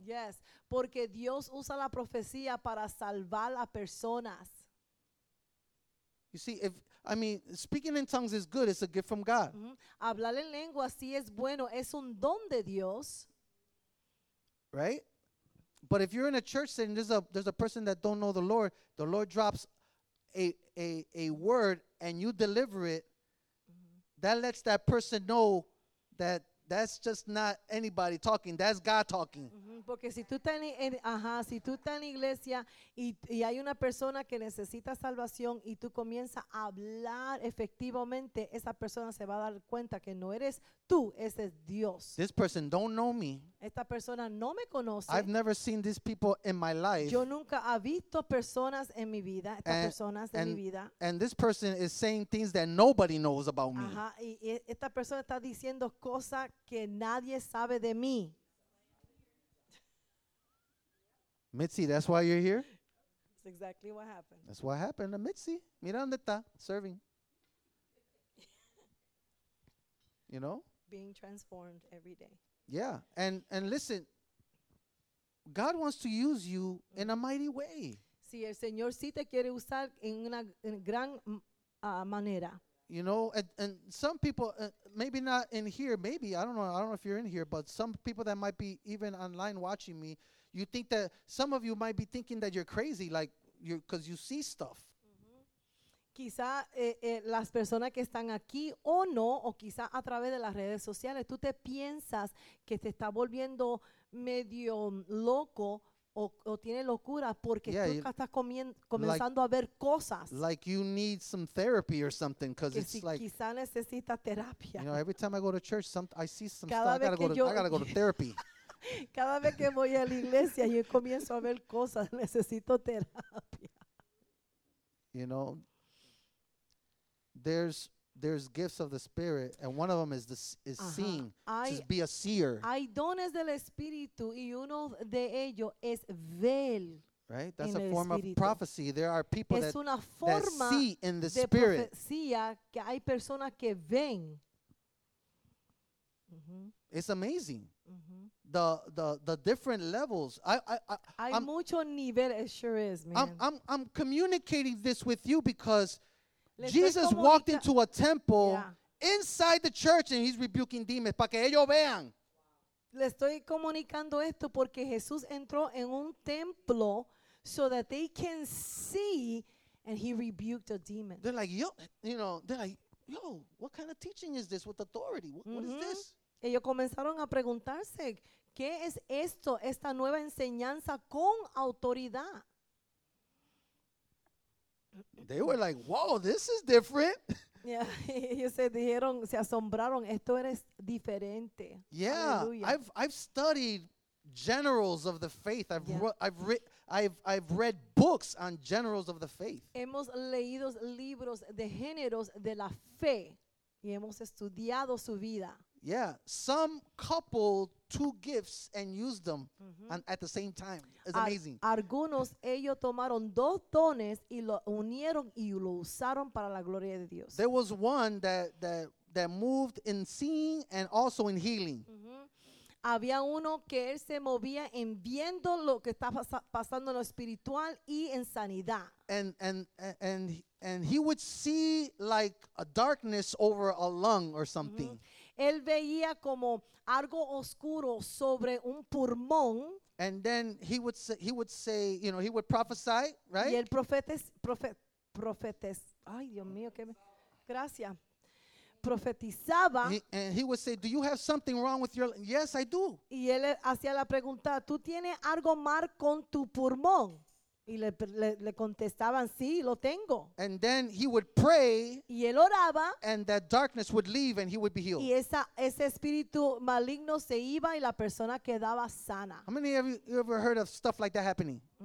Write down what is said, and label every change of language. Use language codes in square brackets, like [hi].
[es] Yes, porque Dios usa la profecía para salvar a personas. [en] You see, speaking in tongues is good. It's a gift from God. [es] Mm-hmm. Hablar en lengua sí es bueno. Es un don de Dios. [en] Right? But if you're in a church setting, there's a person that don't know the Lord drops a word and you deliver it, that lets that person know that That's just not anybody talking. That's God talking. [es] Porque si tú estás en, ajá, si tú estás en iglesia y hay una persona que necesita salvación y tú comienzas a hablar efectivamente, esa persona se va a dar cuenta que no eres tú, ese es Dios. [en] This person don't know me. [es] Esta persona no me conoce. [en] I've never seen these people in my life. [es] Yo nunca he visto personas en mi vida, estas personas en mi vida. [en] And this person is saying things that nobody knows about me. [es] Ajá, y esta persona está diciendo cosas que nadie sabe de mí. [en] Mitzi, that's why you're here? That's exactly what happened. That's what happened to Mitzi. [es] Mira donde está, [en] serving. You know? Being transformed every day. Yeah, and listen, God wants to use you in a mighty way. [es] Sí, el Señor sí te quiere usar en una gran manera. [en] You know, and some people, maybe not in here, maybe, I don't know if you're in here, but some people that might be even online watching me, you think that some of you might be thinking that you're crazy, like you, because you see stuff. [es] Quizá las personas que están aquí o no, o quizá a través de las redes sociales, tú te piensas que te está volviendo medio loco o tiene locura porque tú estás comenzando a ver cosas. [en] Like you need some therapy or something, because it's [es] si [en] like. [es] Quizá necesita terapia. [en] You know, every time I go to church, I see some stuff. I gotta go to therapy. [es] Cada vez que voy a la iglesia yo comienzo a ver cosas, necesito terapia. [en] You know, there's gifts of the Spirit, and one of them is seeing, just be a seer. [es] Hay dones del Espíritu y uno de ellos es ver. [en] Right, that's a form of prophecy. There are people [es] es una forma [en] that see in the Spirit. [es] Profecía que hay personas que ven. [en] It's amazing. The different levels. [es] Hay mucho nivel, [en] it sure is, man. I'm communicating this with you because Jesus walked into a temple inside the church and he's rebuking demons [es] para que ellos vean. Le estoy comunicando esto porque Jesús entró en un templo [en] so that they can see and he rebuked a demon. They're like, yo, you know, they're like, yo, what kind of teaching is this with authority? What is this? [es] Ellos comenzaron a preguntarse, ¿qué es esto, esta nueva enseñanza con autoridad? [en] They were like, whoa, this is different. [es] Yeah, ellos se dijeron, se asombraron, esto eres diferente. [en] Yeah, hallelujah. I've studied generals of the faith. I've read books on generals of the faith. [es] Hemos leído libros de géneros de la fe y hemos estudiado su vida. [en] Yeah, some couple two gifts and use them at the same time. It's amazing. [es] Algunos ellos tomaron dos dones y lo unieron y lo usaron para la gloria de Dios. [en] There was one that moved in seeing and also in healing. [es] Había uno que él se movía en viendo lo que está pasando en lo espiritual y en sanidad. [en] And he would see like a darkness over a lung or something. [es] Él veía como algo oscuro sobre un pulmón. [en] And then he would say, you know, he would prophesy, right? [es] Y el profetes, ay Dios mío, qué gracias. Profetizaba. [en] And he would say, do you have something wrong with your, yes, I do. [es] Y él hacía la pregunta, ¿tú tienes algo mal con tu pulmón? Y le contestaban, sí, lo tengo. [en] And then he would pray. [es] Y él oraba. [en] And that darkness would leave and he would be healed. [es] Y ese espíritu maligno se iba y la persona quedaba sana. [en] How many of you ever heard of stuff like that happening?